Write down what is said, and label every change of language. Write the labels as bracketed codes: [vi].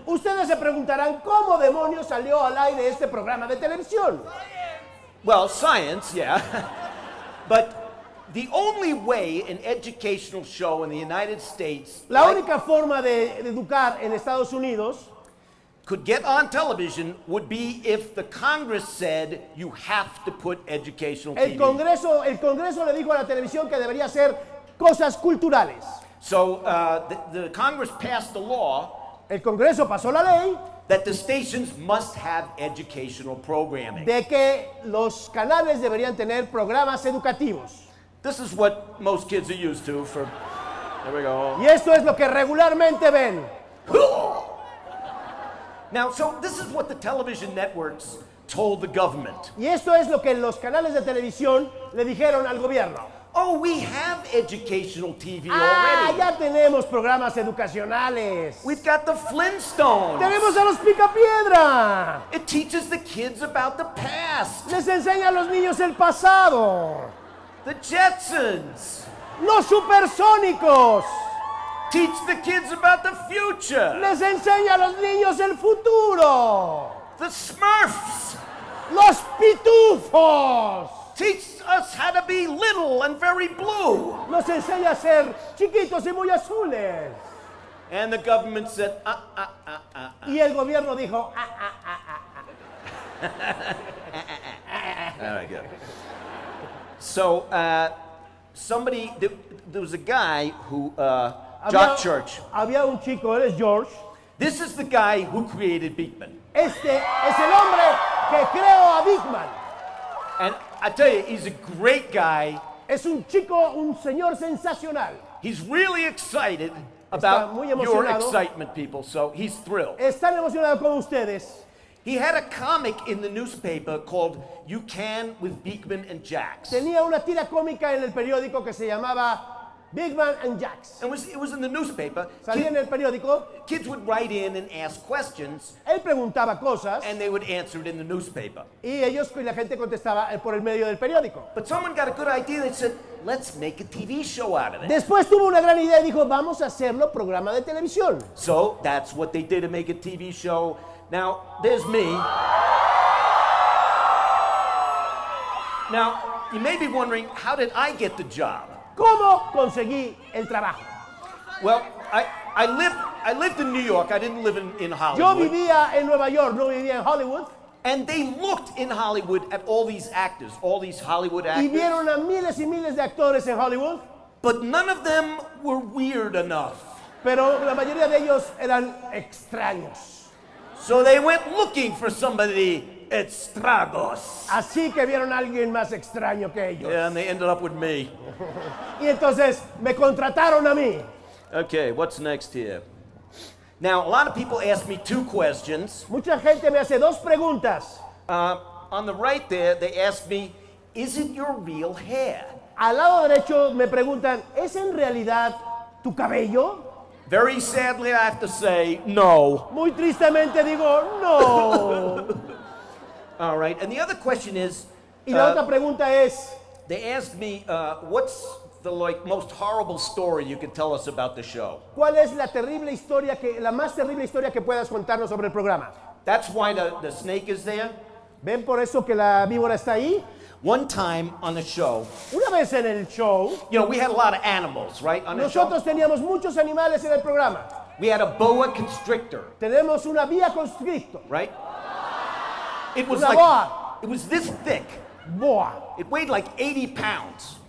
[es] Ustedes se preguntarán, ¿cómo demonios salió al aire este programa de televisión? [en] Well, science, yeah. But the only way an educational show in the United States, [es] la única forma de educar en Estados Unidos, [en] could get on television would be if the Congress said you have to put educational TV. [es] El Congreso le dijo a la televisión que debería hacer cosas culturales. [en] So the Congress passed the law. [es] El Congreso pasó la ley. [en] That the stations must have educational programming. [es] De que los canales deberían tener programas educativos. [en] This is what most kids are used to for, there we go. [es] Y esto es lo que regularmente ven. [en] Now, so this is what the television networks told the government. [es] Y esto es lo que los canales de televisión le dijeron al gobierno. [en] Oh, we have educational TV ah, already. [es] Ya tenemos programas educacionales. [en] We've got the Flintstones. [es] Tenemos a los Picapiedra. [en] It teaches the kids about the past. [es] Les enseña a los niños el pasado. [en] The Jetsons. [es] Los Supersónicos. [en] Teach the kids about the future. [es] Les enseña a los niños el futuro. [en] The Smurfs. [es] Los Pitufos. [en] Teach us how to be little and very blue. [es] Nos enseña a ser chiquitos y muy azules. [en] And the government said, ah. [es] Y el gobierno dijo, [en] All right, good. So, somebody, there was a guy who, Jock Church. [es] Había un chico, él es George. [en] This is the guy who created Beakman. [es] Este es el hombre que creó a Beakman. [en] And I tell you, he's a great guy. [es] Es un chico, un señor sensacional. [en] He's really excited about your excitement, people, so he's thrilled. [es] Están emocionados con ustedes. [en] He had a comic in the newspaper called You Can with Beakman and Jax. [es] Tenía una tira cómica en el periódico que se llamaba Beakman and Jax. [en] It was in the newspaper. [es] Salía en el periódico. [en] Kids would write in and ask questions. [es] Él preguntaba cosas. [en] And they would answer it in the newspaper. [es] Y ellos y la gente contestaba por el medio del periódico. [en] But someone got a good idea and said, let's make a TV show out of it. [es] Después tuvo una gran idea y dijo, vamos a hacerlo programa de televisión. [en] So that's what they did to make a TV show. Now, there's me. Now, you may be wondering, how did I get the job? [es] ¿Cómo conseguí el trabajo? [en] Well, I lived in New York. I didn't live in Hollywood. [es] Yo vivía en Nueva York, no vivía en Hollywood. [en] And they looked in Hollywood at all these actors, all these Hollywood actors. [es] Y vieron a miles y miles de actores en Hollywood. [en] But none of them were weird enough. [es] Pero la mayoría de ellos eran extraños. [en] So they went looking for somebody extragos. [es] Así que vieron a alguien más extraño que ellos. [en] Yeah, and they ended up with me. [es] Y entonces me contrataron a mí. [en] Okay, what's next here? Now, a lot of people ask me two questions. [es] Mucha gente me hace dos preguntas. [en] On the right there, they ask me, is it your real hair? [es] Al lado derecho me preguntan, ¿es en realidad tu cabello? [en] Very sadly, I have to say, no. [es] Muy tristemente digo, no. [en] All right, and the other question is... [es] Y la otra pregunta es... [en] They asked me, what's the like most horrible story you could tell us about the show? [es] ¿Cuál es la terrible historia, la más terrible historia que puedas contarnos sobre el programa? [en] That's why the snake is there. [es] ¿Ven por eso que la víbora está ahí? [en] One time on the show. [es] Una vez en el show. [en] You know, we had a lot of animals, right? On [es] nosotros [en] the show. [es] Teníamos muchos animales en el programa. [en] We had a boa constrictor. [es] Tenemos una boa constrictor. [en] Right? It was [es] una [en] like boa. It was this thick. Buah. It weighed like 80 pounds.